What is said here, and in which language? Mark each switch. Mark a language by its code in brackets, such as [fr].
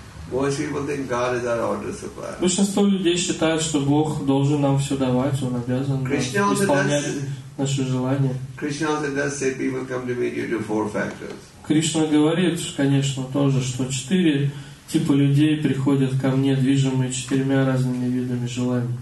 [en] Most people think God is our order supplier. [ru] Большинство людей считают, что Бог должен нам все давать, он обязан исполнять наши желания. [en] Krishna also does say people come to meet you to four factors. [ru] Кришна говорит, конечно, тоже, что четыре типа людей приходят ко мне, движимые четырьмя разными видами желаний.